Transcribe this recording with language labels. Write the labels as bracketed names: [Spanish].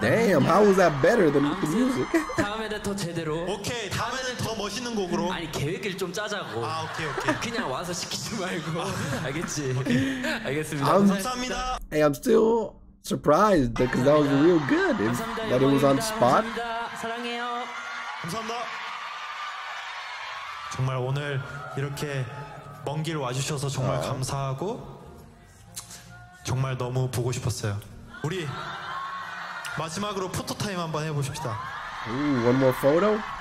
[English] Damn, how was that better than the music? [Korean] 다음에는 더 제대로 오케이, 다음에는 더 멋있는 곡으로 아니, 계획을 좀 짜자고 아, 오케이 그냥 와서 시키지 말고 알겠지? 알겠습니다 감사합니다 [English] Hey, I'm still surprised because that was real good if, that it was on spot. [Korean] 사랑해요. 감사합니다. 정말 오늘 이렇게 먼 길 와주셔서 정말 감사하고 정말 너무 보고 싶었어요. 우리 마지막으로 포토 타임 한번 해보십시다. [English] Ooh, one more photo.